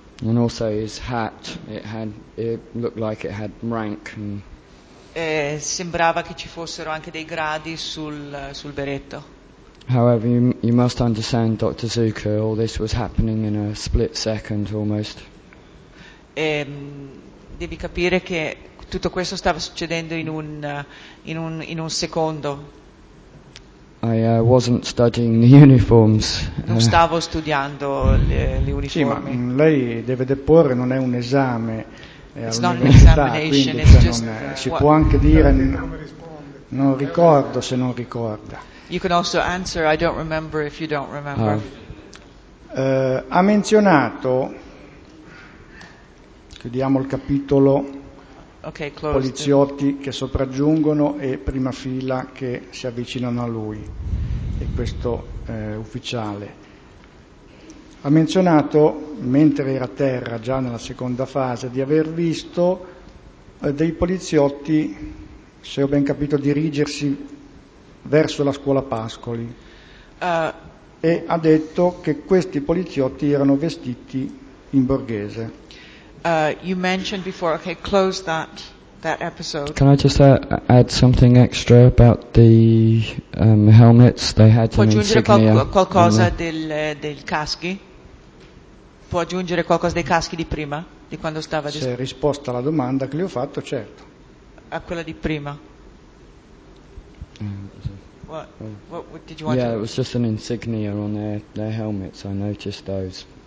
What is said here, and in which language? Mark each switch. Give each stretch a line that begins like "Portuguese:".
English: And also his hat, it looked like it had rank and
Italian: Sembrava che ci fossero anche dei gradi sul berretto.
English: However, you must understand, Dr. Zucker, all this was happening in a split second almost.
Italian: Devi capire che tutto questo stava succedendo in un secondo.
English: I wasn't studying the uniforms.
Italian: Non stavo studiando le uniformi. Sì, ma lei deve deporre, non è un esame.
English: It's not an examination,
Italian: quindi,
English: it's
Italian: cioè,
English: just
Italian: si può anche dire non ricordo se non ricorda.
English: You can also answer I don't remember if you don't remember.
Italian: Ha menzionato, chiudiamo il capitolo, okay, poliziotti che sopraggiungono e prima fila che si avvicinano a lui e questo ufficiale. Ha menzionato, mentre era a terra, già nella seconda fase, di aver visto dei poliziotti, se ho ben capito, dirigersi verso la scuola Pascoli. E ha detto che questi poliziotti erano vestiti in borghese.
English: You mentioned before, okay, close that episode. Can I just add something extra about the helmets they had?
Italian: Può aggiungere qualcosa del caschi? Può aggiungere qualcosa dei caschi di prima, di quando stava... Se è risposta alla domanda che gli ho fatto, certo. A quella di prima.
English: It was just an insignia on their helmets, I noticed those.